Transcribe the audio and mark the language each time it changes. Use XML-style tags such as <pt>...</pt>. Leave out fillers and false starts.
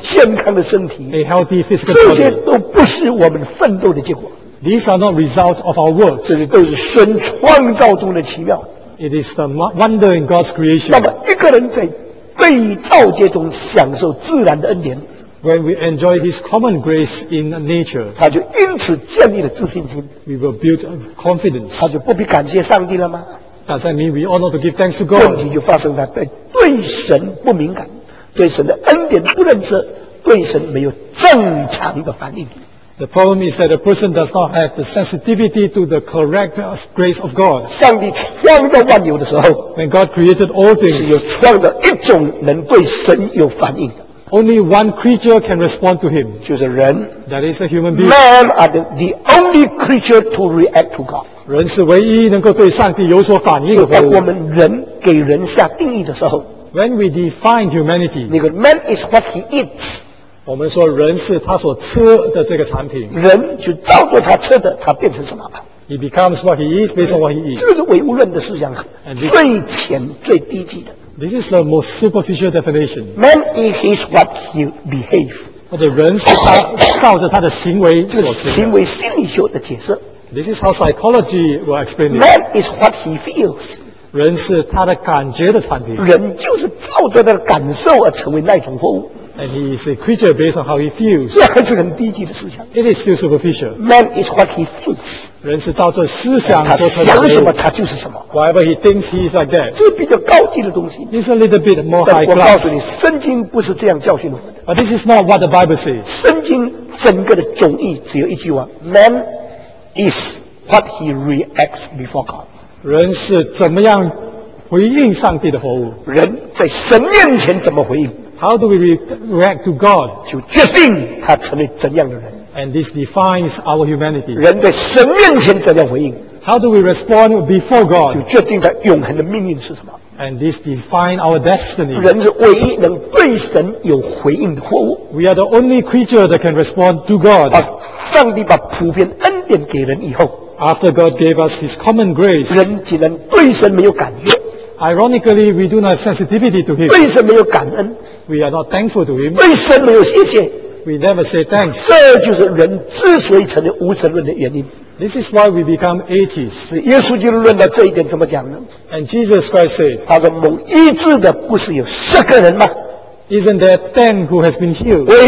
<zh>健康的身体。</zh> <en>A healthy physical body.</en> <zh>这些都不是我们奋斗的结果。</zh> <en>These are not results of our works.</en> <zh>这些都是神创造中的奇妙。</zh> <en>It is the wonder in God's creation.</en> <zh>那么一个人在被造界中享受自然的恩典。</zh> <en>When we enjoy this common grace in nature.</en> <zh>他就因此建立了自信心。</zh> <en>We will build confidence.</en> <zh>他就不必感谢上帝了吗？</zh> <en>Does that mean we ought not to give thanks to God?</en> <zh>问题就发生在对神不敏感，对神的恩典不认识，对神没有正常的反应。</zh> <en>The problem is that a person does not have the sensitivity to the correct grace of God.</en> <zh>上帝创造万有的时候，</zh> <en>When God created all things,</en> <zh>是有创造一种能对神有反应的。</zh> <en>Only one creature can respond to him.</en> <zh>就是人。</zh> <en>That is a human being. Man are the only creature to react to God.</en> <zh>人是唯一能够对上帝有所反应的。当我们人给人下定义的时候，</zh> <en>When we define humanity, 那个 man is what he eats.</en> <zh>我们说人是他所吃的这个产品，人就照着他吃的，他变成什么吧</zh> <en>？He becomes what he is based on what he eats。</en> <zh>这个是唯物论的思想，最浅最低级的。</zh> <en>This is the most superficial definition。 Man is what he behaves。</en> <zh>或者人是他照着他的行为所吃的。就是行为心理学的解释。</zh> <en>This is how psychology will explain it。 Man is what he feels。</en> <zh>人是他的感觉的产品。人就是照着他的感受而成为那种货物。</zh> <en>And he is a creature based on how he feels.</en> <zh>这还是很低级的思想。</zh> <en>It is still superficial. Man is what he thinks.</en> <zh>人是照着思想做成的。他想什么，他就是什么。</zh> <en>Whatever he thinks, he is like that.</en> <zh>这比较高级的东西。</zh> <en>It's a little bit more high class.</en> <zh>但我告诉你，圣经不是这样教训我们的。</zh> <en>But this is not what the Bible says.</en> <zh>圣经整个的总意只有一句话 ：</zh> <en>Man is what he reacts before God.</en> <zh>人是怎么样回应上帝的服务？人在神面前怎么回应？</zh> <en>How do we react to God?</en> <zh>就决定他成为怎样的人。</zh> <en>And this defines our humanity.</en> <zh>人在神面前怎样回应</zh> <en>？How do we respond before God?</en> <zh>就决定他永恒的命运是什么</zh> <en>？And this defines our destiny.</en> <zh>人是唯一能对神有回应的活物。</zh> <en>We are the only creature that can respond to God.</en> <zh>把上帝把普遍恩典给人以后</zh> <en>，After God gave us His common grace,</en> <zh>人既然对神没有感觉。</zh> <en>Ironically, we do not have sensitivity to him.</en> <zh>为什么没有感恩？</zh> <en>We are not thankful to him.</en> <zh>为什么没有谢谢？</zh> <en>We never say thanks.</en> <zh>这就是人之所以成为无神论的原因。</zh> <en>This is why we become atheists.</en> <zh>耶稣基督论到这一点怎么讲呢？</zh> <en>And Jesus Christ said,</en> <zh>他说蒙医治的不是有十个人吗？</zh> <en>Isn't there 10 who has been healed?</en>